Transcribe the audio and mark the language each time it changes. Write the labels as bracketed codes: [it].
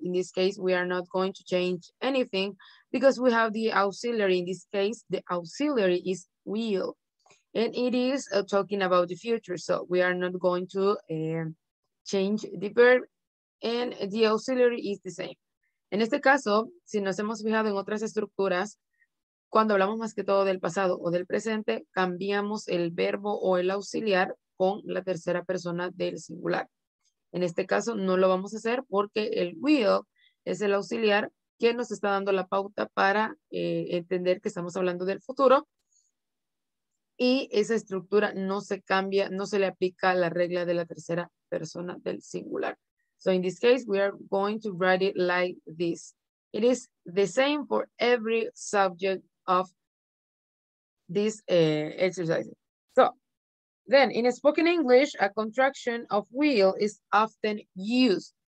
[en] In this case, we are not going to change anything because we have the auxiliary. In this case, the auxiliary is will. And it is talking about the future. So we are not going to change the verb, and the auxiliary is the same. [es] En este caso, si nos hemos fijado en otras estructuras, cuando hablamos más que todo del pasado o del presente, cambiamos el verbo o el auxiliar con la tercera persona del singular. En este caso no lo vamos a hacer porque el will es el auxiliar que nos está dando la pauta para entender que estamos hablando del futuro. Y esa estructura no se cambia, no se le aplica la regla de la tercera persona del singular. [en] So in this case, we are going to write it like this. It is the same for every subject of this exercise. So then in spoken English, a contraction of will is often used.